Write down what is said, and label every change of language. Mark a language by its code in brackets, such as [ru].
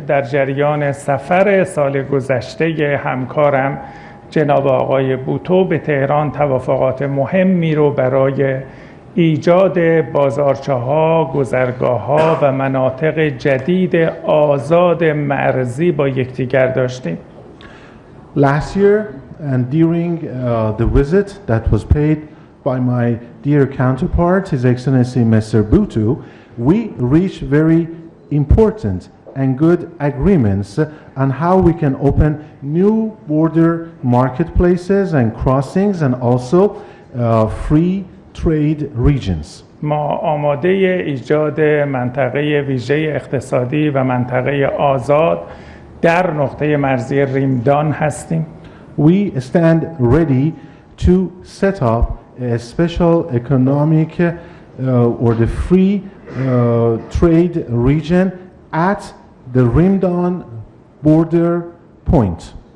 [fa] در جریان سفر سال گذشته همکارم جناب آقای بوتو به تهران توافقات مهمی رو برای ایجاد بازارچه‌ها، گذرگاه‌ها و مناطق جدید آزاد مرزی با یکدیگر داشتیم. [en] Last year and during the visit that was paid by my dear counterpart, His Excellency Mr. Bhutto, we reached very important and good agreements on how we can open new border marketplaces and crossings and also free trade regions. [fa] ما آماده ایجاد منطقه ویژه اقتصادی و منطقه آزاد در نقطه مرزی ریمدان هستیم. [en] We stand ready to set up a special economic or the free trade region at the Rimdan border point.